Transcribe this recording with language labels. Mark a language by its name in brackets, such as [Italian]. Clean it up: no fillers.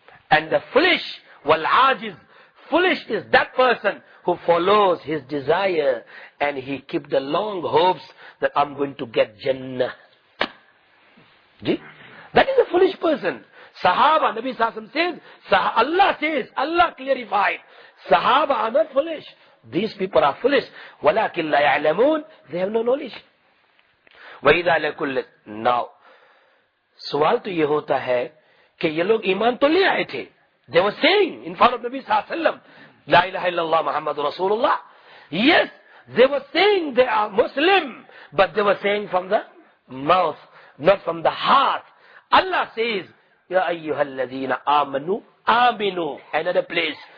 [English] And the foolish wal-ajiz, foolish is that person who follows his desire and he keep the long hopes that I'm going to get Jannah. That is a foolish person. Sahaba, Nabi Sassam says, Allah says, Allah clarified, Sahaba are not foolish. These people are foolish. [Arabic] وَلَكِنْ لَا يَعْلَمُونَ. [English] They have no knowledge. [Arabic] وَإِذَا لَكُلْ. [Urdu] Now, سوال تو یہ ہوتا ہے کہ یہ لوگ ایمان تو لے آئے تھے. [English] They were saying in front of Nabi Sallallahu Alaihi Wasallam, [Arabic] La ilaha illallah Muhammadur Rasulullah. [English] Yes, they were saying they are Muslim, but they were saying from the mouth, not from the heart. Allah says, [Arabic] Ya ayyuhal ladhina amanu, aminu. [English] Another place.